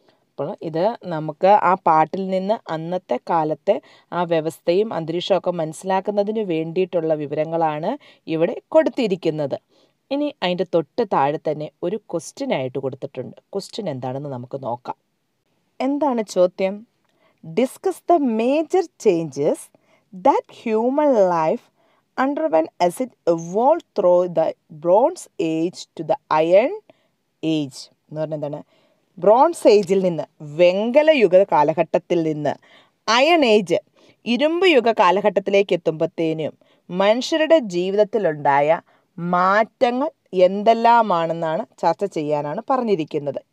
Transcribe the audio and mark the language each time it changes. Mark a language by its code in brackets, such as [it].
[ml] അപ്പോൾ ഇത് നമുക്ക് ആ പാട്ടിൽ നിന്ന് അന്നത്തെ കാലത്തെ ആ വ്യവസ്ഥയും അന്തരീക്ഷമൊക്കെ മനസ്സിലാക്കുന്നതിന് വേണ്ടിയിട്ടുള്ള വിവരങ്ങളാണ് ഇവിടെ കൊടുത്തിരിക്കുന്നത്. ഇനി അതിൻ്റെ തൊട്ട് താഴെ തന്നെ ഒരു ക്വസ്റ്റ്യൻ ആയിട്ട് കൊടുത്തിട്ടുണ്ട്. ക്വസ്റ്റ്യൻ എന്താണെന്ന് നമുക്ക് നോക്കാം. എന്താണ് ചോദ്യം? [en] Discuss the major changes that human life underwent as it evolved through the bronze age to the iron age. [ml] എന്ന് പറഞ്ഞാൽ എന്താണ്, ബ്രോൺസ് ഏജിൽ നിന്ന്, വെങ്കല യുഗ കാലഘട്ടത്തിൽ നിന്ന് അയൺ ഏജ്, ഇരുമ്പ് യുഗ കാലഘട്ടത്തിലേക്ക് എത്തുമ്പോഴത്തേനും മനുഷ്യരുടെ ജീവിതത്തിലുണ്ടായ മാറ്റങ്ങൾ എന്തെല്ലാമാണെന്നാണ് ചർച്ച ചെയ്യാനാണ് പറഞ്ഞിരിക്കുന്നത്.